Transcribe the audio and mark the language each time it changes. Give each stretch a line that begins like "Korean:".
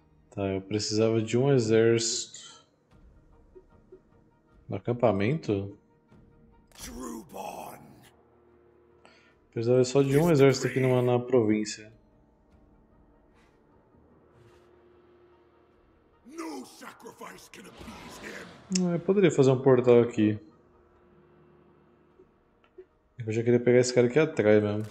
Portuguese: Tá, eu precisava de um exército no acampamento. Truborn. Precisava só de um exército aqui numa na província.
English: No sacrifice can appease him.
Portuguese: Eu poderia fazer um portal aqui. Eu já queria pegar esse cara aqui atrás mesmo.